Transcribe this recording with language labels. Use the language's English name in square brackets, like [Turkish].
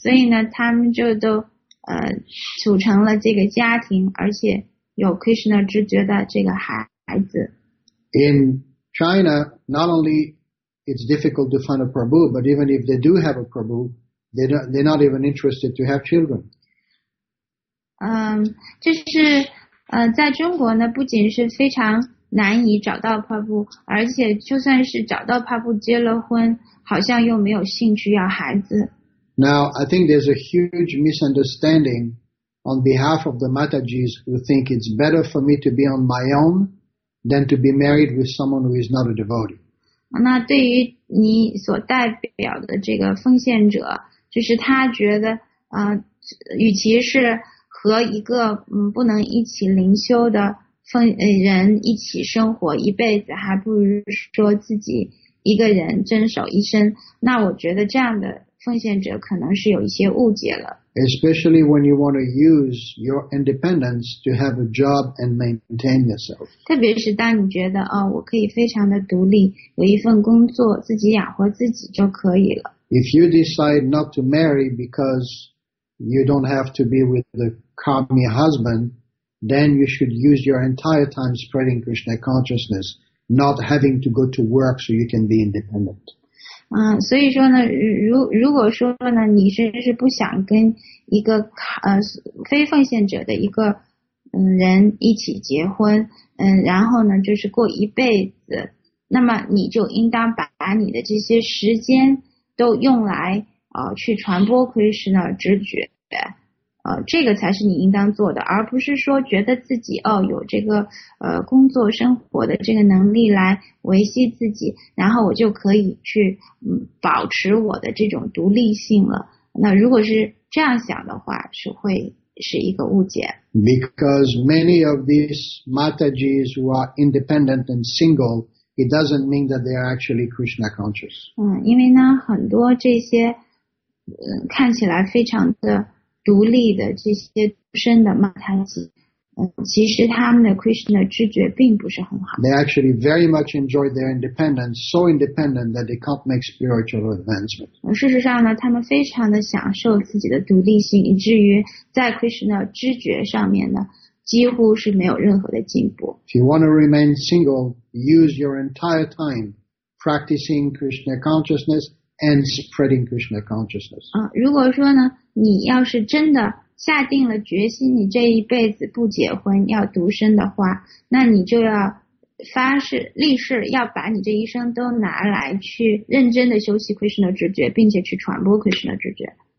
[Chinese] 所以呢，他们就都组成了这个家庭，而且有 Krishna 知觉的这个孩子。 [English] In China, not only it's difficult to find a Prabhu, but even if they do have a Prabhu, they're not even interested to have children. [Chinese] 就是在中国呢不仅是非常难以找到帕布，而且就算是找到帕布结了婚，好像又没有兴趣要孩子。 [English] Now, I think there's a huge misunderstanding on behalf of the Matajis who think it's better for me to be on my own than to be married with someone who is not a devotee. [Chinese] 那对于你所代表的这个奉献者，就是他觉得，与其是和一个不能一起灵修的人一起生活一辈子，还不如说自己一个人遵守一生。那我觉得这样的奉献者可能是有一些误解了。 [English] Especially when you want to use your independence to have a job and maintain yourself. [Chinese] 特别是当你觉得我可以非常的独立，有一份工作，自己养活自己就可以了。 [English] If you decide not to marry because you don't have to be with the karmi husband, then you should use your entire time spreading Krishna consciousness, not having to go to work so you can be independent. [Chinese] 所以说呢，如果说呢，你是不想跟一个非奉献者的一个人一起结婚，然后呢就是过一辈子，那么你就应当把你的这些时间都用来去传播 Krishna 直觉，这个才是你应当做的，而不是说觉得自己有这个工作生活的这个能力来维系自己，然后我就可以去保持我的这种独立性了。那如果是这样想的话，是会是一个误解。 [English] Because many of these Matajis who are independent and single, it doesn't mean that they are actually Krishna conscious. [Chinese] 因为呢，很多这些看起来非常的独立的这些独身的马太子，其实他们的 Krishna 知觉并不是很好。 [English] They actually very much enjoy their independence, so independent that they can't make spiritual advancement. [Chinese] 事实上呢，他们非常的享受自己的独立性，以至于在 Krishna 知觉上面呢，几乎是没有任何的进步。 [English] If you want to remain single, use your entire time practicing Krishna consciousness and spreading Krishna consciousness. [Chinese] 如果说呢，你要是真的下定了决心，你这一辈子不结婚，要独身的话，那你就要发誓立誓，要把你这一生都拿来去认真的修习 Krishna 直觉，并且去传播 Krishna 直觉。